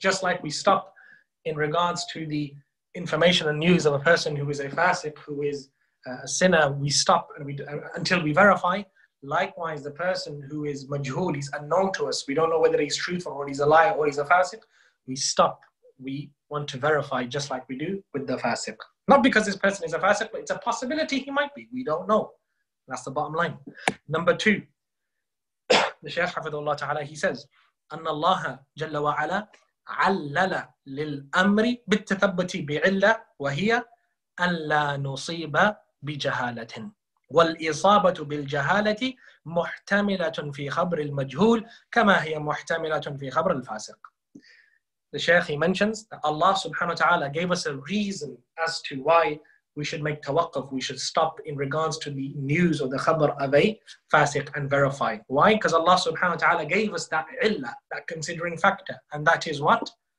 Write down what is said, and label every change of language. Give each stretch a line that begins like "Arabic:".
English: Just like we stop in regards to the information and news of a person who is a fasiq, who is a sinner, we stop and until we verify. Likewise, the person who is majhul, he's unknown to us, we don't know whether he's truthful or he's a liar or he's a fasiq, we stop. We want to verify, just like we do with the fasiq. Not because this person is a fasiq, but it's a possibility he might be. We don't know. That's the bottom line. Number two, the Shaykh hafidhahullah ta'ala, he says,
Arabic: أَنَّ اللَّهَ جَلَّ وَعَلَىٰ عَلَّلَ لِلْأَمْرِ بِالتَّثَبُّتِ بِعِلَّةٍ وَهِيَ أَنْ لَا نُصِيبَ بِجَهَالَةٍ وَالْإِصَابَةُ بِالْجَهَالَةِ مُحْتَمِلَةٌ فِي خَبْرِ الْمَجْهُولِ كَمَا هِيَ مُحْتَمِلَةٌ فِي خَبْرِ الْفَاسِقِ.
English: The Shaykh, he mentions that Allah subhanahu wa ta'ala gave us a reason as to why we should make tawakkuf, we should stop in regards to the news or the khabr of a fasiq and verify. Why? Because Allah subhanahu wa ta'ala gave us that illa, that considering factor. And that is what?